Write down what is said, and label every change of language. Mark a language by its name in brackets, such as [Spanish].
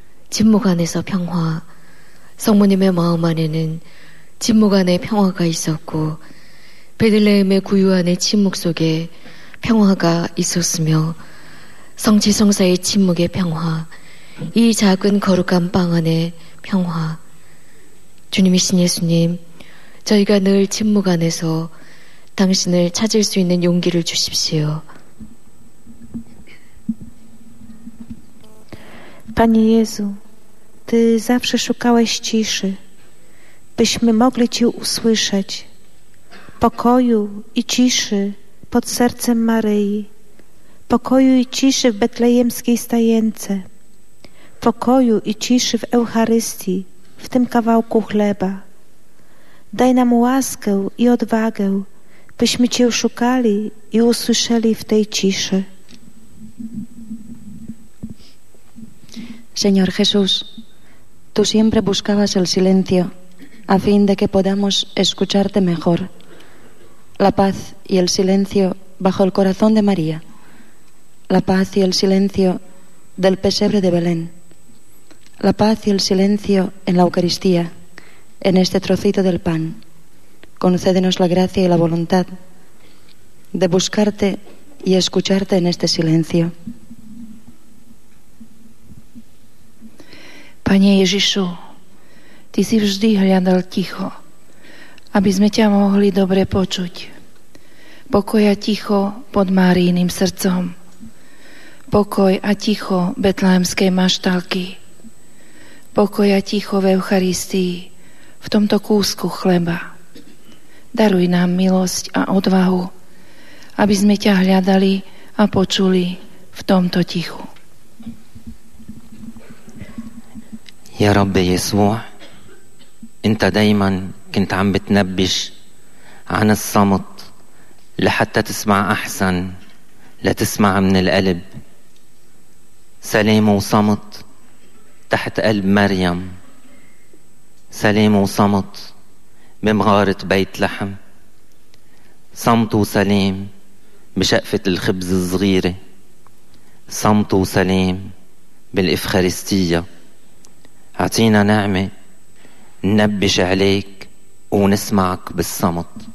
[Korean] 침묵 안에서 평화, 성모님의 마음 안에는 침묵 안에 평화가 있었고 베들레헴의 구유한의 침묵 속에 평화가 있었으며 성지성사의 침묵의 평화, 이 작은 거룩한 빵 안의 평화. 주님이신 예수님, 저희가 늘 침묵 안에서 당신을 찾을 수 있는 용기를 주십시오. [Polish] Panie Jezu, Ty zawsze szukałeś ciszy, byśmy mogli Cię usłyszeć, pokoju i ciszy pod sercem Maryi, pokoju i ciszy w betlejemskiej stajence, pokoju i ciszy w Eucharystii, w tym kawałku chleba. Daj nam łaskę i odwagę, byśmy Cię szukali i usłyszeli w tej ciszy. [Spanish] Señor Jesús, tú siempre buscabas el silencio a fin de que podamos escucharte mejor. La paz y el silencio bajo el corazón de María. La paz y el silencio del pesebre de Belén. La paz y el silencio en la Eucaristía, en este trocito del pan. Concédenos la gracia y la voluntad de buscarte y escucharte en este silencio. [Slovak] Panie Ježišu, Ty si vždy hľadal ticho, aby sme ťa mohli dobre počuť. Pokoj a ticho pod Máriiným srdcom. Pokoj a ticho betlehemskej maštalky. Pokoj a ticho v Eucharistii, v tomto kúsku chleba. Daruj nám milosť a odvahu, aby sme ťa hľadali a počuli v tomto tichu. [Arabic] يا رب يسوع انت دايما كنت عم بتنبش عن الصمت لحتى تسمع احسن لتسمع من القلب سلام وصمت تحت قلب مريم سلام وصمت بمغارة بيت لحم صمت وسلام بشقفة الخبز الصغيرة صمت وسلام بالإفخارستية أعطينا نعمة ننبش عليك ونسمعك بالصمت.